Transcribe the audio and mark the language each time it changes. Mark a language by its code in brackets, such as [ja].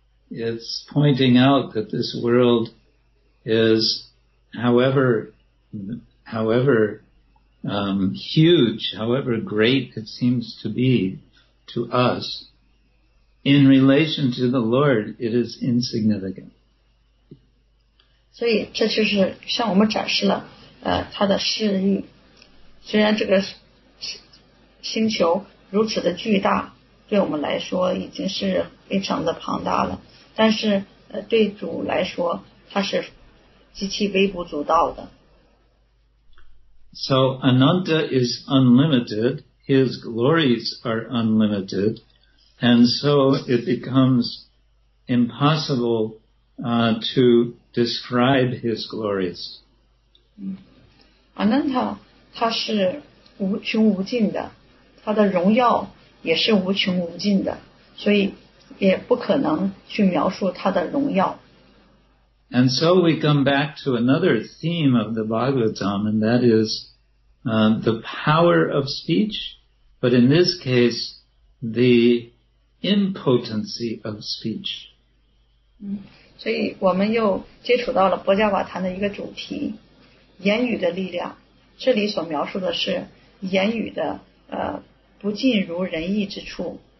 [en] It's pointing out that this world is, however huge, however great it seems to be to us, in relation to the Lord, it is insignificant. [zh] 所以这就是向我们展示了他的视域。虽然这个星球如此的巨大，对我们来说已经是非常的庞大了，但是对主来说，它是极其微不足道的。 [en] So Ananta is unlimited, his glories are unlimited, and so it becomes impossible to describe his glories. [zh] Ananta, 他是无穷无尽的，他的荣耀也是无穷无尽的，所以也不可能去描述他的荣耀。 [en] And so we come back to another theme of the Bhagavatam, and that is the power of speech, but in this case, the impotency of speech. [zh] 所以我们又接触到了波迦瓦坛的一个主题，言语的力量。这里所描述的是言语的不尽如人意之处。